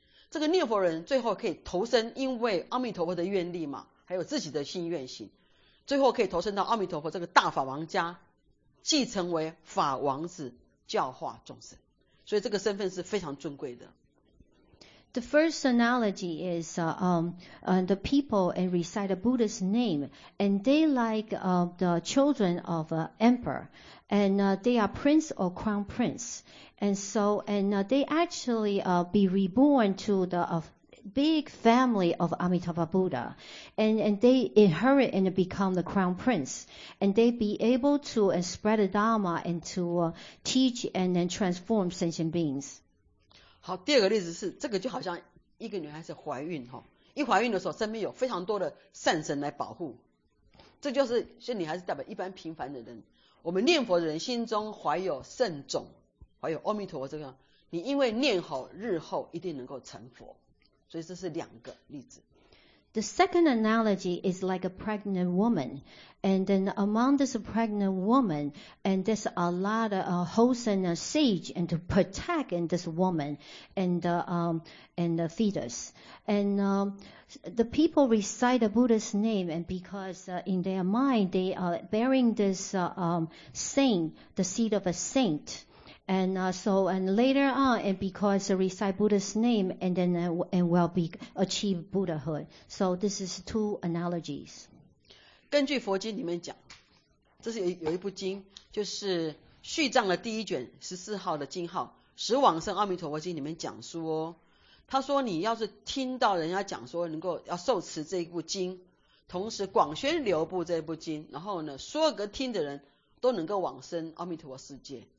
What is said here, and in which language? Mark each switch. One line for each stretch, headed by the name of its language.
Chinese: 这个念佛人最后可以投身，因为阿弥陀佛的愿力嘛。还有自己的心愿行，最后可以投身到阿弥陀佛这个大法王家，继承为法王子教化众生，所以这个身份是非常尊贵的。
English: The first analogy is the people and recite a Buddha's name, and they like the children of an emperor, and they are prince or crown prince, and so and they actually be reborn to the of. Big family of Amitabha Buddha, and they inherit and become the crown prince, and they be able to spread the Dharma and to teach and then transform sentient beings.
Chinese: 好，第二个例子是这个就好像一个女孩子怀孕哈，一怀孕的时候身边有非常多的善神来保护，这就是这女孩子代表一般平凡的人。我们念佛的人心中怀有圣种，怀有阿弥陀佛这个，你因为念好，日后一定能够成佛。所以这是两个例子。
English: The second analogy is like a pregnant woman, and then among this pregnant woman, and there's a lot of wholesome sage and to protect in this woman and the fetus. And the people recite the Buddha's name, and because in their mind they are bearing this saint, the seed of a saint. And so, and later on, and because they recite Buddha's name, and then and will be achieve Buddhahood. So this is two analogies.
Chinese: 根据佛经里面讲，这是有一部经，就是《续藏》的第一卷十四号的经号《十往生阿弥陀佛经》里面讲说，他说你要是听到人家讲说能够要受持这一部经，同时广宣流布这部经，然后呢所有个听的人都能够往生阿弥陀佛世界。